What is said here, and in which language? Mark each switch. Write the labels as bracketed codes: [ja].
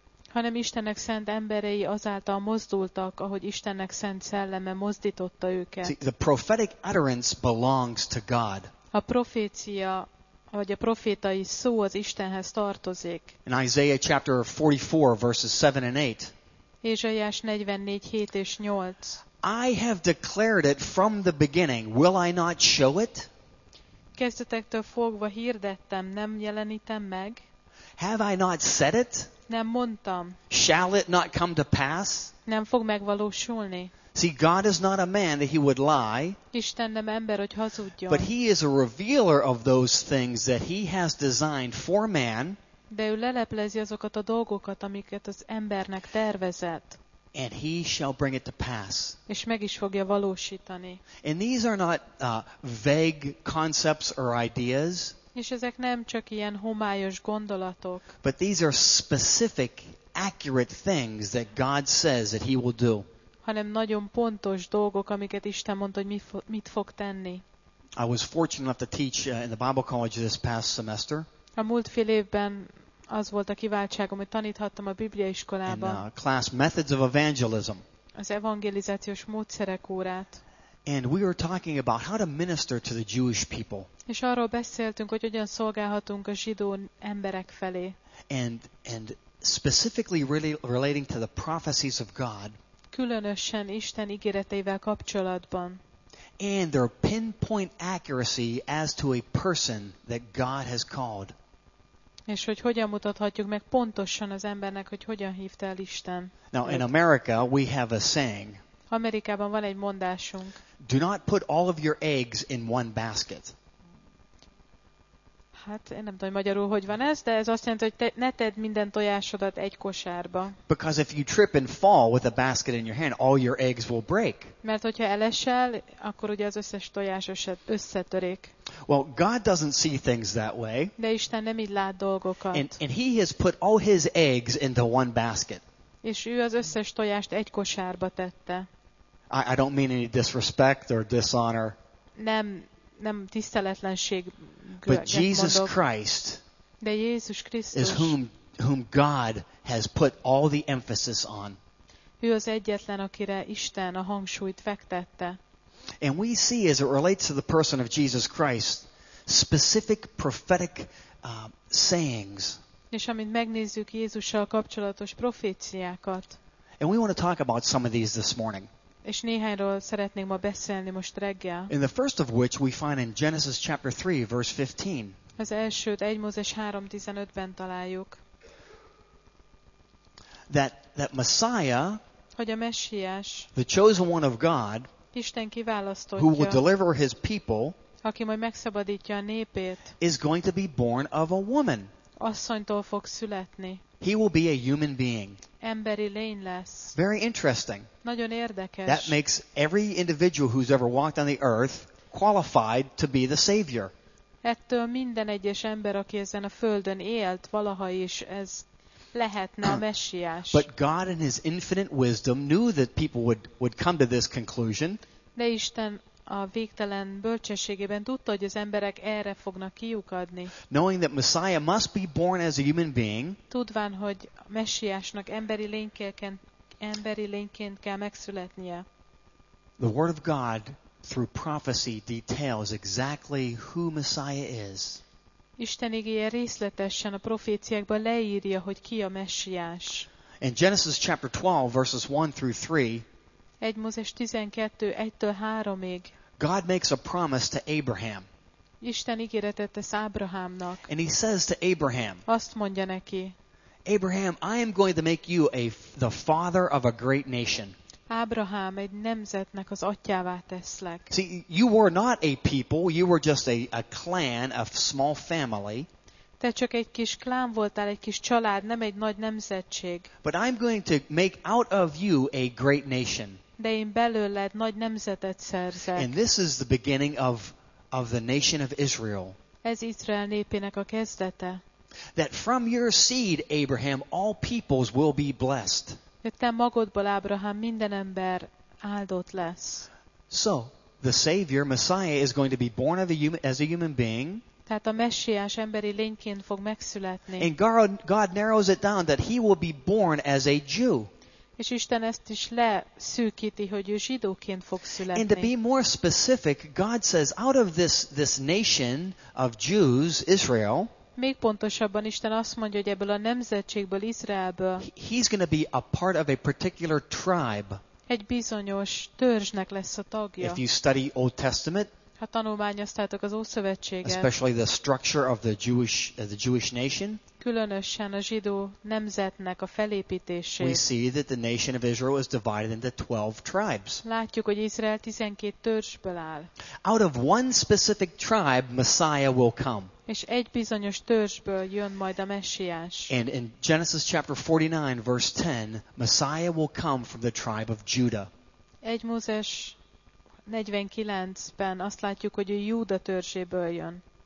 [hu] Hanem Istennek szent emberei azáltal mozdultak, ahogy Istennek szent szelleme mozdította őket. [en] See, the prophetic utterance belongs to God. [hu] A profécia, vagy a profétai szó az Istenhez tartozik. [en] In Isaiah chapter 44, verses 7 and 8. [hu] Ézsaiás 44, 7 és 8. [en] I have declared it from the beginning. Will I not show it? [hu] Kezdetektől fogva hirdettem, nem jelenítem meg. [en] Have I not said it? [hu] Nem mondtam. [en] Shall it not come to pass? [hu] Nem fog megvalósulni. [en] See, God is not a man that he would lie. [hu] Isten nem ember, hogy hazudjon. [en] But he is a revealer of those things that he has designed for man. [hu] De ő leleplezi azokat a dolgokat, amiket az embernek tervezett. [en] And he shall bring it to pass. [hu] És meg is fogja valósítani. [en] And these are not vague concepts or ideas. [hu] És ezek nem csak ilyen homályos gondolatok. [en] But these are specific, accurate things that God says that he will do. [hu] Hanem nagyon pontos dolgok, amiket Isten mond, hogy mit fog tenni. [en] I was fortunate enough to teach in the Bible college this past semester. [hu] A múlt fél évben az volt a kiváltságom, hogy taníthattam a Biblia iskolában. [en] In class methods of evangelism. [hu] Az evangelizációs módszerek órát. [en] And we were talking about how to minister to the Jewish people. [hu] És arról beszéltünk, hogy hogyan szolgálhatunk a zsidó emberek felé. [en] And specifically really relating to the prophecies of God. [hu] Különösen Isten ígéreteivel kapcsolatban. [en] And their pinpoint accuracy as to a person that God has called. [hu] És hogy hogyan mutathatjuk meg pontosan az embernek, hogy hogyan hívta el Isten. [en] Now őt. In America we have a saying. [hu] Amerikában van egy mondásunk. [en] Do not put all of your eggs in one basket. [hu] Hát én nem tudom magyarul, hogy van ez, de ez azt jelenti, hogy ne tedd minden tojásodat egy kosárba. [en] Because if you trip and fall with a basket in your hand, all your eggs will break. [hu] Mert hogyha elesel, akkor ugye az összes tojás összetörik. [en] Well, God doesn't see things that way. [hu] De Isten nem így lát dolgokat. [en] And he has put all his eggs into one basket. [hu] És ő az összes tojást egy kosárba tette. [en] I don't mean any disrespect or dishonor. [hu] Nem tiszteletlenség. [en] But Jesus Christ is whom God has put all the emphasis on. [hu] Ő az egyetlen, akire Isten a hangsúlyt fektette. [en] And we see as it relates to the person of Jesus Christ, specific prophetic sayings. [hu] És amint megnézzük Jézussal kapcsolatos proféciákat. [en] And we want to talk about some of these this morning. [hu] És néhányról szeretnénk ma beszélni most reggel. [en] In the first of which we find in Genesis chapter 3 verse 15. [hu] Az elsőt 1 Mózes 3:15-ben találjuk. [en] That Messiah, [hu] hogy a Messiás, [en] the chosen one of God, [hu] Isten kiválasztottja, [en] who will deliver his people, [hu] aki majd megszabadítja a népét, [en] is going to be born of a woman. [hu] Asszonytól fog születni. [en] He will be a human being. [hu] Emberi lény lesz. [en] Very interesting. [hu] Nagyon érdekes. [en] That makes every individual who's ever walked on the earth qualified to be the Savior. [hu] Ettől minden egyes ember, aki ezen a földön élt, valaha is ez lehetne a Messiás. [en] But God in his infinite wisdom knew that people would come to this conclusion. [hu] De Isten a végtelen bölcsességében tudta, hogy az emberek erre fognak kiukadni. [en] Knowing that Messiah must be born as a human being. [hu] Tudván, hogy Messiásnak emberi lényként kell megszületnie. [en] The word of God through prophecy details exactly who Messiah is. [hu] Isten igéje részletesen a proféciákban leírja, hogy ki a Messiás. [en] In Genesis chapter 12 verses 1 through 3. [hu] 1 Mózes 12:1-3. [en] God makes a promise to Abraham. [hu] Isten ígéretet tesz Ábrahámnak. [en] And he says to Abraham. [hu] Azt mondja neki. [en] Abraham, I am going to make you the father of a great nation. [hu] Ábrahám, egy nemzetnek az atyává teszlek. [en] See, you were not a people, you were just a clan, a small family. [hu] Te csak egy kis klán voltál, egy kis család, nem egy nagy nemzetség. [en] But I'm going to make out of you a great nation. [hu] De én belőled nagy nemzetet szerzek. [en] And this is the beginning of the nation of Israel. [hu] Ez Izrael népének a kezdete. [en] That from your seed, Abraham, all peoples will be blessed. [hu] De te magodból, Ábrahám, minden ember áldott lesz. [en] So, the Savior, Messiah, is going to be born as a human being. [hu] Tehát a Messiás emberi lényként fog megszületni. [en] And God narrows it down that he will be born as a Jew. [hu] És Isten ezt is leszűkíti, hogy ő zsidóként fog születni. [en] And to be more specific, God says, out of this nation of Jews, Israel, [hu] még pontosabban Isten azt mondja, hogy ebből a nemzetségből, Izraelből, [en] he's going to be a part of a particular tribe. [hu] Egy bizonyos törzsnek lesz a tagja. [en] If you study Old Testament, [hu] ha tanulmányoztátok az Ószövetséget, [en] especially the structure of the Jewish nation, [hu] különösen a zsidó nemzetnek a felépítését. [en] We see that the nation of Israel is divided into 12 tribes. [hu] Látjuk, hogy Izrael 12 törzsből áll. [en] Out of one specific tribe, Messiah will come. [hu] És egy bizonyos törzsből jön majd a Messiás. [en] And in Genesis chapter 49 verse 10, Messiah will come from the tribe of Judah. [hu] 1 Mózes 49-ben azt látjuk, hogy a Júda törzséből jön.